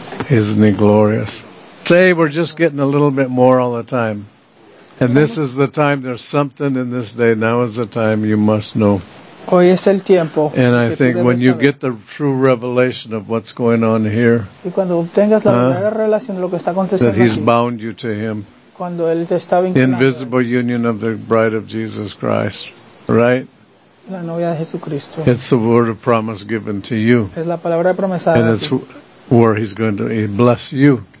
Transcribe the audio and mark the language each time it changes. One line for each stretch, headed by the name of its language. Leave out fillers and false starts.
English: Isn't he glorious? Say we're just getting a little bit more all the time. And this is the time, there's something in this day. Now is the time you must know.
Spanish: Hoy es el tiempo.
English: And I think when you get the true revelation of what's going on here,
Spanish: y cuando obtengas la verdadera relación de lo que está aconteciendo,
English: that he's
Spanish: aquí,
English: bound you to him.
Spanish: Cuando él te está vinculando.
English: Invisible union of the bride of Jesus Christ. Right?
Spanish: La novia de Jesucristo.
English: It's the word of promise given to you.
Spanish: Es la palabra de promesa.
English: And it's where he's going to bless you.